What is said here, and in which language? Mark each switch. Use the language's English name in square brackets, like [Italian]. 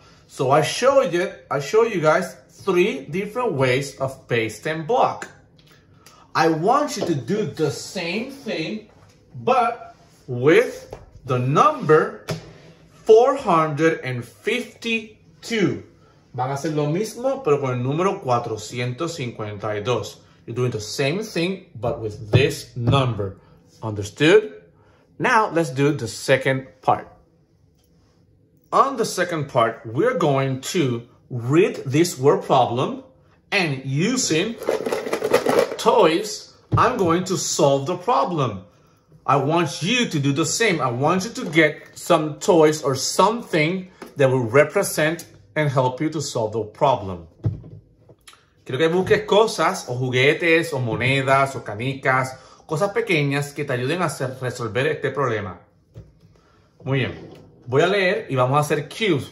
[English] So I show you guys three different ways of paste and block. I want you to do the same thing, but with the number 452. [Spanish] Van a hacer lo mismo, pero con el número 452. [English] You're doing the same thing, but with this number. Understood? Now, let's do the second part. On the second part, we're going to read this word problem, and using toys, I'm going to solve the problem. I want you to do the same. I want you to get some toys or something that will represent and help you to solve the problem. [Spanish] Quiero que busques cosas, o juguetes, o monedas, o canicas, cosas pequeñas que te ayuden a hacer, resolver este problema. Muy bien. Voy a leer y vamos a hacer cubes.